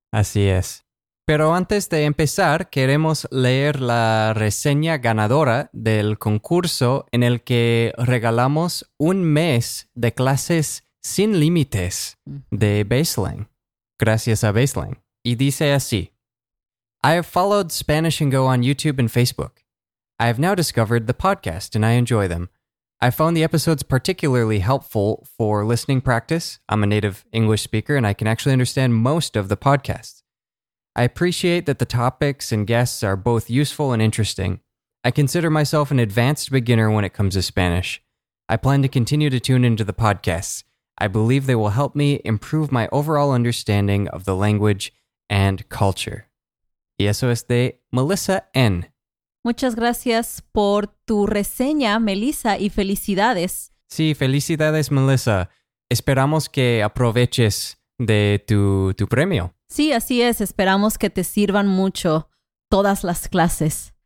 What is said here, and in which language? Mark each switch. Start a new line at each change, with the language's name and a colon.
Spanish: Así es. Pero antes de empezar, queremos leer la reseña ganadora del concurso en el que regalamos un mes de clases sin límites de Baseline. Gracias a Baseline. Y dice así.
English: I have followed Spanish and Go on YouTube and Facebook. I have now discovered the podcast and I enjoy them. I found the episodes particularly helpful for listening practice. I'm a native English speaker and I can actually understand most of the podcasts. I appreciate that the topics and guests are both useful and interesting. I consider myself an advanced beginner when it comes to Spanish. I plan to continue to tune into the podcasts. I believe they will help me improve my overall understanding of the language and culture.
Spanish: Y eso es de Melissa N. Muchas gracias por tu reseña, Melissa, y felicidades. Sí, felicidades, Melissa. Esperamos que aproveches de tu premio. Sí, así es. Esperamos que te sirvan mucho todas las clases.